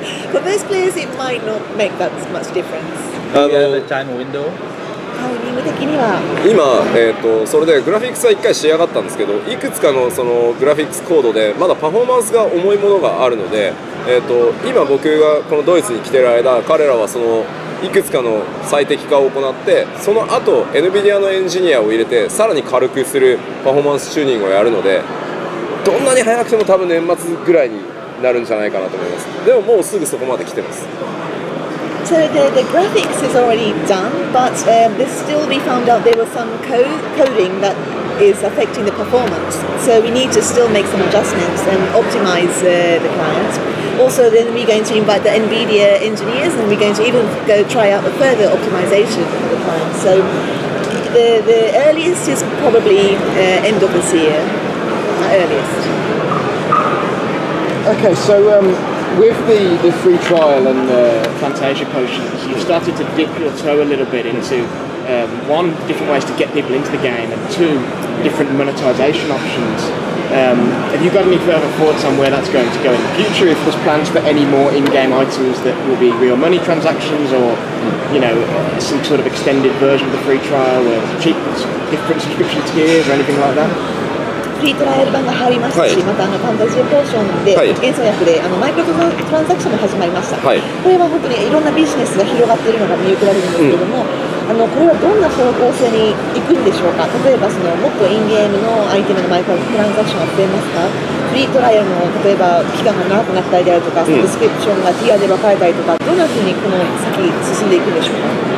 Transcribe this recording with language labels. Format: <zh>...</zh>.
<en>For those players, it might not make that much difference. Do you have a time window?</en> <ja>タイミング的には今、それでグラフィックスは1回仕上がったんですけどいくつか そのグラフィックスコードでまだパフォーマンスが重いものがあるので、今僕がこのドイツに来てる間彼らはそのいくつかの最適化を行ってその後 NVIDIA のエンジニアを入れてさらに軽くするパフォーマンスチューニングをやるのでどんなに早くても多分年末ぐらいになるんじゃないかなと思います。でももうすぐそこまで来てます。</ja> <en>So the graphics is already done, but there's still we found out there was some coding that is affecting the performance. So we need to still make some adjustments and optimize the client. Also, then we're going to invite the NVIDIA engineers and we're going to even go try out a further optimization for the client. So the earliest is probably end of this year, earliest. Okay, so with the free trial and the Fantasia potions, you've started to dip your toe a little bit into one, different ways to get people into the game, and two, different monetization options. Have you got any further thoughts on where that's going to go in the future, if there's plans for any more in-game items that will be real money transactions, or, you know, some sort of extended version of the free trial, or cheap different subscription tiers, or anything like that?</en> <ja>フリートライアル版が入りましたし、はい、またファンタジーポーションで、はい、原作薬でマイクロトランザクションも始まりました、はい、これは本当にいろんなビジネスが広がっているのが見受けられるんですけども、うん、これはどんな方向性に行くんでしょうか例えばそのもっとインゲームのアイテムのマイクロトランザクションが増えますかフリートライアルの例えば期間が長くなったりであるとか、うん、サブスクリプションがティアで分かれたりとかどんな風にこの先進んでいくんでしょうか</ja>